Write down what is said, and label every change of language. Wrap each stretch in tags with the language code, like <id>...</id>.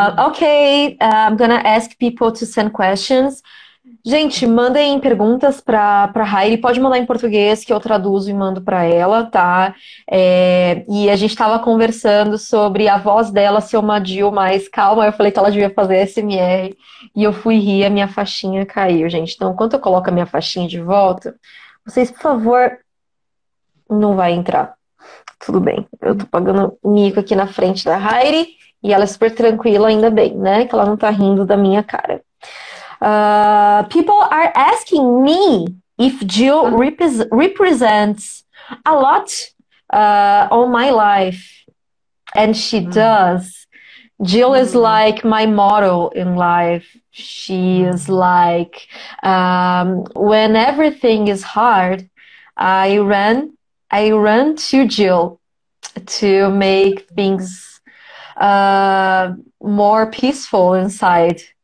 <en>Okay, I'm gonna ask people to send questions.</en> <pt>Gente, mandem perguntas para a Heidi. Pode mandar em português, que eu traduzo e mando para ela, tá? É, e a gente estava conversando sobre a voz dela ser uma Jill mais calma. Eu falei que ela devia fazer SMR. E eu fui rir, a minha faixinha caiu, gente. Então, enquanto eu coloco a minha faixinha de volta, vocês, por favor, não vai entrar. Tudo bem. Eu tô pagando mico aqui na frente da Heidi. E ela é super tranquila, ainda bem, né? Que ela não tá rindo da minha cara.</pt> <en>People are asking me if Jill represents a lot on my life, and she does. Jill is like my model in life. She is like, when everything is hard, I run to Jill to make things more peaceful inside.</en>